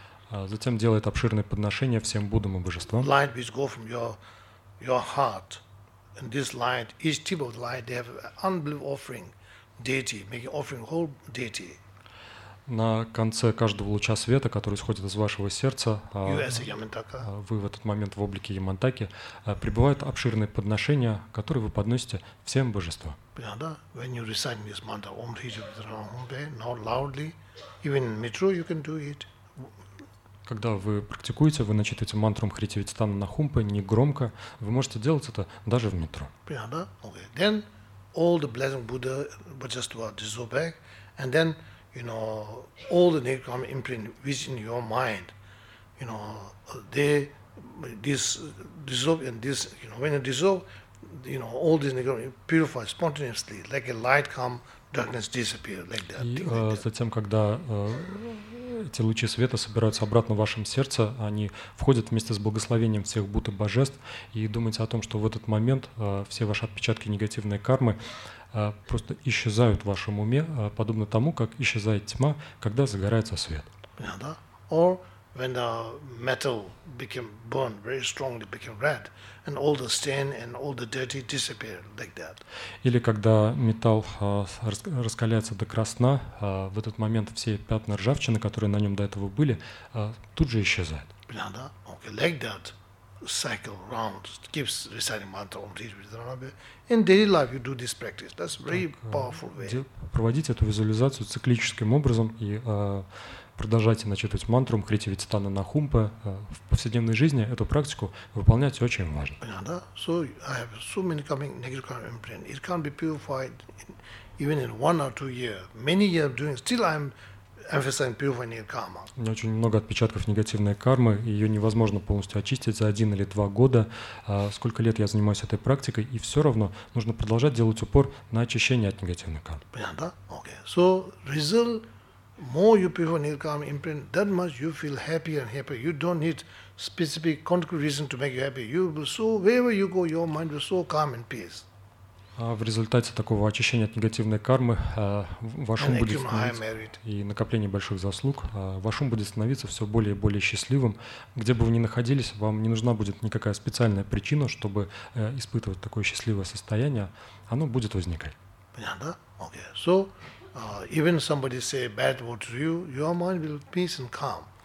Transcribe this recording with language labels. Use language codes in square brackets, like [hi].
[ru] Затем делает обширные подношения всем Буддам и божествам. [en] Light which go from your heart, and this light, each tip of the light, they have an unbelievable offering, deity, making offering whole deity. [ru] На конце каждого луча света, который исходит из вашего сердца, вы в этот момент в облике Ямантаки, прибывают обширные подношения, которые вы подносите всем божествам. [en] Да, when you recite this mantra, Om Hrithi Vatranahumpe, now loudly, even in metro you can do it. [ru] Когда вы практикуете, вы начитываете мантру Мхрити Вититана Нахумпе негромко, вы можете делать это даже в метро. [en] Then all the blessing Buddha Bodhisattva dissolve back, and then, you know, all the nirgama imprint which in your mind, you know, they this dissolve and this, you know, when it dissolve, you know, all these nirgama purify spontaneously, like a light come, darkness disappear, like that. [ru] И затем, когда эти лучи света собираются обратно в вашем сердце, они входят вместе с благословением всех Будд и Божеств, и думайте о том, что в этот момент все ваши отпечатки негативной кармы просто исчезают в вашем уме, подобно тому, как исчезает тьма, когда загорается свет. [en] Or when the metal became burned very strongly, became red, and all the stain and all the dirty disappeared like that. [ru] Или когда металл раскаляется до красна, в этот момент все пятна ржавчины, которые на нем до этого были, тут же исчезают. [en] Да, okay, like that cycle round keeps reciting mantra Om Hrithi Vititananabe. In daily life you do this practice. That's very powerful way. [ru] Проводить эту визуализацию циклическим образом и продолжайте начитывать мантру Мхрити Вититана Нахумпе. В повседневной жизни эту практику выполнять очень важно. [en] Да, so I have so many coming negative karma imprint. It can't be purified even in one or two years. Many years doing, still I'm emphasizing purifying negative karma. [ru] У меня очень много отпечатков негативной кармы, ее невозможно полностью очистить за один или два года. Сколько лет я занимаюсь этой практикой, и все равно нужно продолжать делать упор на очищение от негативной кармы. [en] Да, okay. So result. More you prefer nirkam imprint, that much you feel happier and happier. You don't need specific concrete reason to make you happy. You will so wherever you go, your mind will so calm and peace. [ru] В результате такого очищения от негативной кармы ваш ум будет и накопление больших заслуг, ваш ум будет становиться все более и более счастливым. Где бы вы ни находились, вам не нужна будет никакая специальная причина, чтобы испытывать такое счастливое состояние. Оно будет возникать. Понятно? Okay. [en] So even somebody say bad word to you, your mind will be peace and calm.